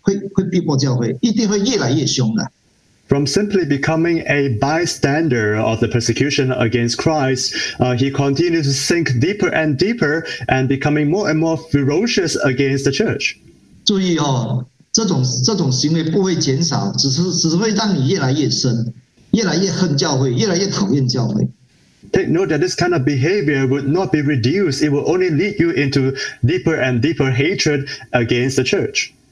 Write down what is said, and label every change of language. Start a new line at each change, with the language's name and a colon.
Chinese: 让你从开始从旁观者到参与者的时候，或者你心里喜欢教会被逼迫的时候，你喜欢这样做的时候，你只是喜欢哦，你就开始抑制陷下去了，你就开始一直会逼迫教会，一定会越来越凶的。
English: From simply becoming a bystander of the persecution against Christ, he continues to sink deeper and deeper and becoming more and more ferocious against the church.
Chinese: 注意哦，这种行为不会减少，只是会让你越来越深，越来越恨教会，越来越讨厌教会。
English: Take note that this kind of behavior would not be reduced. It will only lead you into deeper and deeper hatred against the church.